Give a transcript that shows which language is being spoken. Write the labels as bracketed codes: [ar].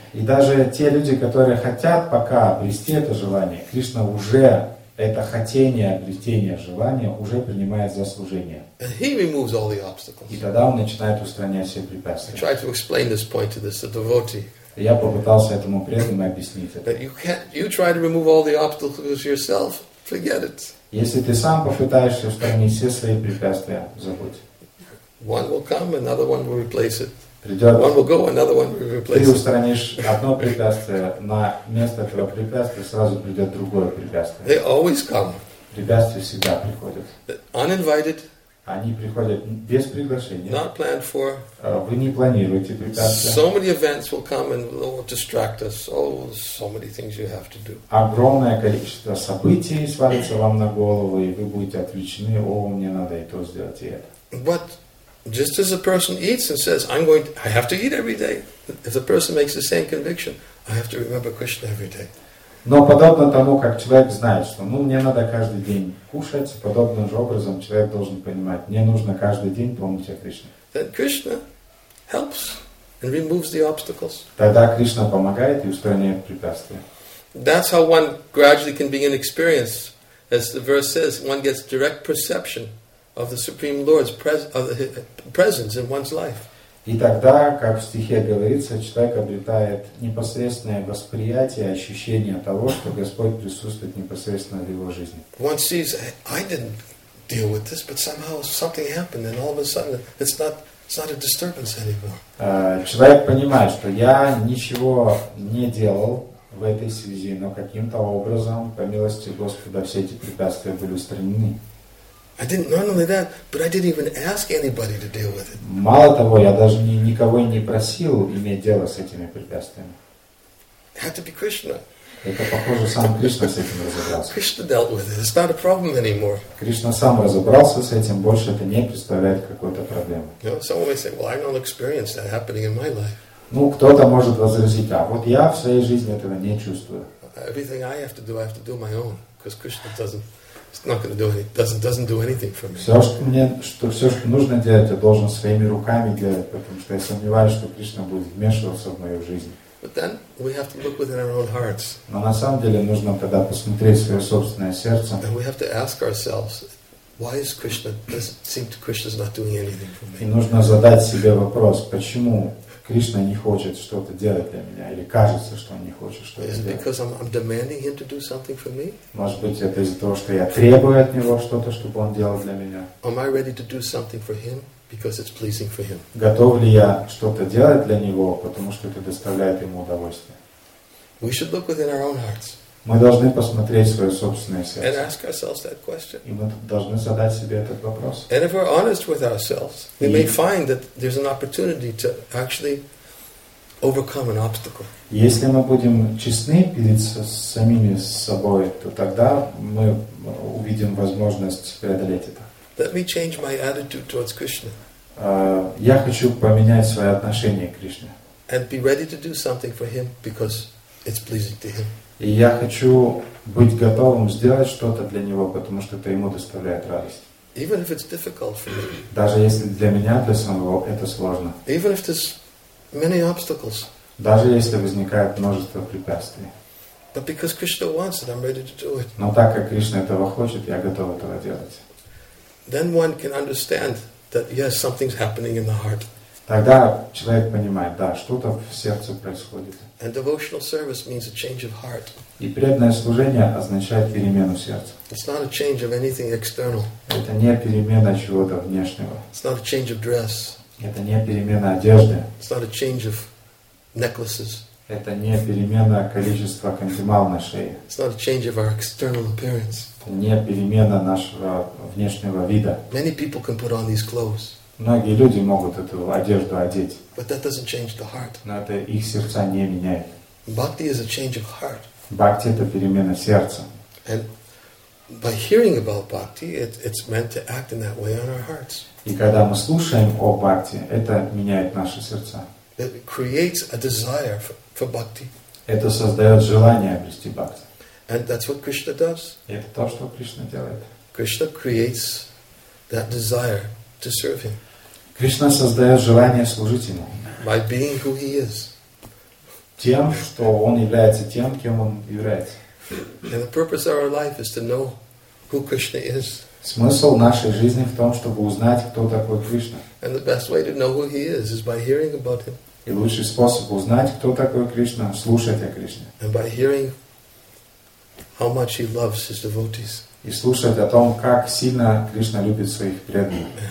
[ru] И даже те люди, которые хотят пока обрести это желание, Кришна уже это хотение, обретение желания уже принимает за служение. [en] And he removes all the obstacles. [ru] И тогда он начинает устранять все препятствия. [en] I tried to explain this point to this, the devotee. [ru] Я попытался этому преданному объяснить это. [en] That you try to remove all the obstacles yourself, forget it. [ru] Если ты сам попытаешься устранить все свои препятствия, забудь. [en] One will come, another one will replace it. [ru] Придет. [en] One will go, another one will replace it. [ru] Ты устранишь одно препятствие, на место этого препятствия сразу придет другое препятствие. [en] They always come. [ru] Препятствия всегда приходят. [en] Uninvited. [ru] Они приходят без приглашения. [en] Not planned for. [ru] Вы не планируете препятствия. [en] So many events will come and will distract us. Oh, so many things you have to do. [ru] Огромное количество событий свалится вам на голову, и вы будете отвлечены. О, мне надо и то сделать, и это. [en] But just as a person eats and says, I'm going to, I have to eat every day. If the person makes the same conviction, I have to remember Krishna every day. [ru] Но подобно тому, как человек знает, что ну мне надо каждый день кушать, подобным же образом человек должен понимать, мне нужно каждый день помнить о Кришне. [en] Then Krishna helps and removes the obstacles. [ru] Тогда Кришна помогает и устраняет препятствия. [en] That's how one gradually can begin experience, as the verse says, one gets direct perception of the Supreme Lord's presence in one's life. [ru] И тогда, как в стихе говорится, человек обретает непосредственное восприятие, ощущение того, что Господь присутствует непосредственно в его жизни. [en] One sees, I didn't deal with this, but somehow something happened, and all of a sudden it's not a disturbance anymore. [ru] Человек понимает, что я ничего не делал в этой связи, но каким-то образом, по милости Господа, все эти препятствия были устранены. [en] I didn't not only that, but I didn't even ask anybody to deal with it. [ru] Мало того, я даже никого не просил иметь дело с этими препятствиями. [en] Had to be Krishna. [ru] Это похоже, сам Кришна с этим разобрался. [en] Krishna dealt with it. It's not a problem anymore. [ru] Кришна сам разобрался с этим, больше это не представляет какой-то проблемы. [en] You know, someone may say, "Well, I've not experienced that happening in my life." [ru] Ну, кто-то может возразить: "А вот я в своей жизни этого не чувствую." [en] Everything I have to do my own, because Krishna doesn't. It's not going to do any, doesn't do anything for me. [ru] Все, что нужно делать, я должен своими руками делать, потому что я сомневаюсь, что Кришна будет вмешиваться в мою жизнь. [en] But then we have to look within our own hearts. [ru] Но на самом деле нужно тогда посмотреть свое собственное сердце. [en] And we have to ask ourselves, why is Krishna? Does it seem to Krishna's not doing anything for me? [ru] И нужно задать себе вопрос, почему Кришна не хочет что-то делать для меня, или кажется, что он не хочет что-то делать. [en] Is it because I'm demanding him to do something for me? [ru] Может быть, это из-за того, что я требую от него что-то, чтобы он делал для меня. [en] Am I ready to do something for him because it's pleasing for him? [ru] Готов ли я что-то делать для него, потому что это доставляет ему удовольствие? [en] We should look within our own hearts. [ru] Мы должны посмотреть свое собственное сердце. [en] And ask ourselves that question. [ru] И мы должны задать себе этот вопрос. [en] And if we're honest with ourselves, we may find that there's an opportunity to actually overcome an obstacle. [ru] Если мы будем честны перед самими собой, то тогда мы увидим возможность преодолеть это. [en] Let me change my attitude towards Krishna. [ru] Я хочу поменять свое отношение к Кришне. [en] And be ready to do something for him because it's pleasing to him. [ru] И я хочу быть готовым сделать что-то для него, потому что это ему доставляет радость. [en] Even if it's difficult for me. [ru] Даже если для меня, для самого, это сложно. [en] Even if there's many obstacles. [ru] Даже если возникает множество препятствий. [en] But because Krishna wants it, I'm ready to do it. [ru] Но так как Кришна этого хочет, я готов этого делать. [en] Then one can understand that yes, something's happening in the heart. [ru] Тогда человек понимает, да, что-то в сердце происходит. [en] And devotional service means a change of heart. [ru] И преданное служение означает перемену сердца. [en] It's not a change of anything external. [ru] Это не перемена чего-то внешнего. [en] It's not a change of dress. [ru] Это не перемена одежды. [en] It's not a change of necklaces. [ru] Это не перемена количества кантимал на шее. [en] It's not a change of our external appearance. [ru] Это не перемена нашего внешнего вида. [en] Many people can put on these clothes. [ru] Многие люди могут эту одежду одеть. [en] But that doesn't change the heart. [ru] Но это их сердца не меняет. [en] Bhakti is a change of heart. [ru] Бхакти — это перемена сердца. [en] And by hearing about bhakti, it's meant to act in that way on our hearts. [ru] И когда мы слушаем о бхакти, это меняет наши сердца. [en] It creates a desire for bhakti. [ru] Это создает желание обрести бхакти. [en] And that's what Krishna does. [ru] И это то, что Кришна делает. [en] Krishna creates that desire. To serve him. [ru] Кришна создает желание служить ему. [en] By being who he is. [ru] Тем, что он является тем, кем он является. [en] And the purpose of our life is to know who Krishna is. [ru] Смысл нашей жизни в том, чтобы узнать, кто такой Кришна. [en] And the best way to know who he is by hearing about him. [ru] И лучший способ узнать, кто такой Кришна, слушать о Кришне. [en] And by hearing how much he loves his devotees. [ru] И слушать о том, как сильно Кришна любит своих преданных.